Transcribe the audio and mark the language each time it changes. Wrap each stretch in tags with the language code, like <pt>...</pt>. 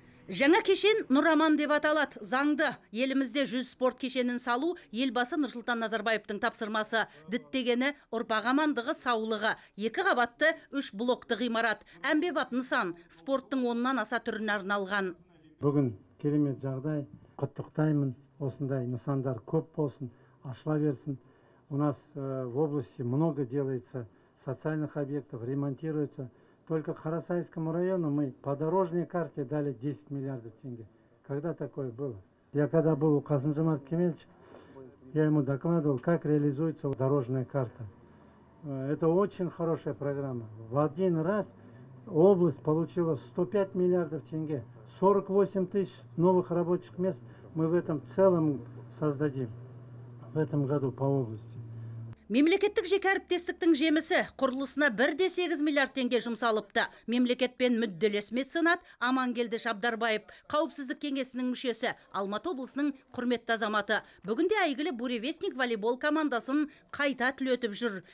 <kk>Жаңа кешен Нұраман деп аталады. Заңды. Елімізде 100 спорт кешенін салу елбасы Нұрсұлтан Назарбаевтың тапсырмасы. Діттегені ұрпағамандығы саулығы. Екі қабатты, үш блокты ғимарат. Әмбебап нысан спорттың онынан аса түрін арналған. Бүгін керемет жағдай, құттықтаймын. Осындай нысандар көп болсын, ашыла берсін.</kk> <ru>У нас в области много делается социальных объектов, ремонтируется. Только Карасайскому району мы по дорожной карте дали 10 миллиардов тенге. Когда такое было? Я когда был у Касым-Жомарта Кемелевича, я ему докладывал, как реализуется дорожная карта. Это очень хорошая программа. В один раз область получила 105 миллиардов тенге. 48 тысяч новых рабочих мест мы в этом целом создадим в этом году по области.</ru> <kk>Мемлекеттік жеке әріптестіктің жемісі құрылысына 1,8 миллиард тенге жұмсалыпты. Мемлекетпен мүдделес меценат Амангелді Шабдарбаев, қауіпсіздік кеңесінің мүшесі, Алматы облысының құрметті азаматы. Бүгінде әйгілі Буревестник волейбол командасын қайта түлетіп жүр.</kk>